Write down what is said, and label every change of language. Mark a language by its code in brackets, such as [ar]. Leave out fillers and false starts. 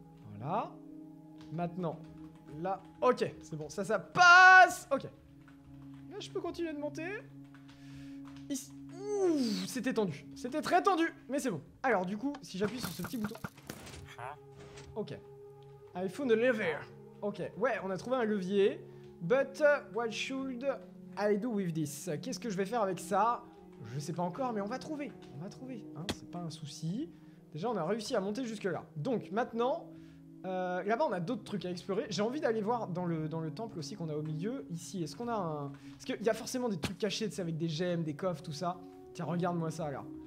[fr] Voilà. Maintenant, là. Ok, c'est bon, ça passe. Ok. Là, je peux continuer de monter. Ici. Ouh, c'était tendu. C'était très tendu, mais c'est bon. Alors, du coup, si j'appuie sur ce petit bouton. Ok. [en] I found a lever. [fr] Ok, ouais, on a trouvé un levier. [en] But what should I do with this? [fr] Qu'est-ce que je vais faire avec ça? Je sais pas encore, mais on va trouver. On va trouver, hein, c'est pas un souci. Déjà, on a réussi à monter jusque-là. Donc, maintenant, là-bas, on a d'autres trucs à explorer. J'ai envie d'aller voir dans le temple aussi qu'on a au milieu. Ici, est-ce qu'on a un... Parce qu'il y a forcément des trucs cachés, tu sais, avec des gemmes, des coffres, tout ça. Tiens, regarde-moi ça, là.